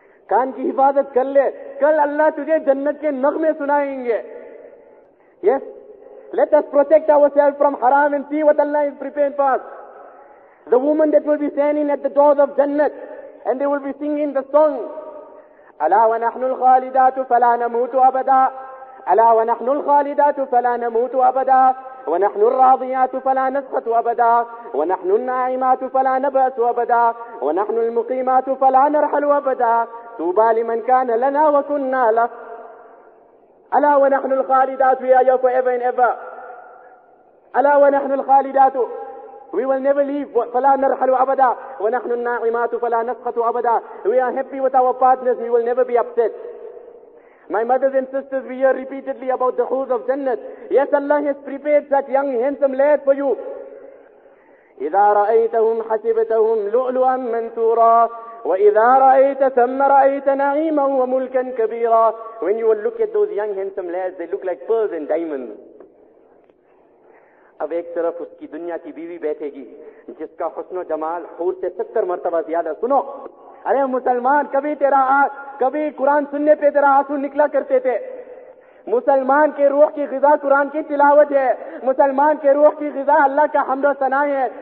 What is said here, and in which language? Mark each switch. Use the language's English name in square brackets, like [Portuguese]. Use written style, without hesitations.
[Hindi] कान की हिफाजत कर ले, कल अल्लाह तुझे जन्नत के नगमे सुनाएंगे. [English] Yes, let us protect ourselves from हराम and see what Allah is preparing for us. The woman that will be standing at the doors of jannat and they will be singing the song [Arabic] ألا ونحن الخالدات فلا نموت أبدا. ألا ونحن الخالدات فلا نموت أبدا. ونحن الراضيات فلا نسخط أبدا. ونحن الناعمات فلا نبأس أبدا. ونحن المقيمات فلا نرحل أبدا. طوبى لمن كان لنا وكنا له. ألا ونحن الخالدات [English] we are here forever and ever. [Arabic] ألا ونحن الخالدات [English] we will never leave, [Arabic] فلا نرحل أبدا. ونحن الناعمات فلا نسخط أبدا. [English] We are happy with our partners, we will never be upset. My mothers and sisters, we hear repeatedly about the khuz of Jannah. Yes, Allah has prepared that young handsome lad for you. [Arabic] إذا رأيتهم حسبتهم لؤلؤا منثورا وإذا رأيت ثم رأيت نعيما وملكا كبيرا. [English] When you will look at those young handsome lads, they look like pearls and diamonds. [Hindi] अब एक तरफ उसकी दुनिया की बीवी बैठेगी जिसका हुस्न जमाल हूर से 70 मरतबा ज्यादा. सुनो अरे मुसलमान, कभी तेरा कभी कुरान सुनने पे तेरा आंसू निकला करते थे. मुसलमान के रूह की गिजा कुरान की तिलावत है. मुसलमान के रूह की गिजा अल्लाह का हमद सना है.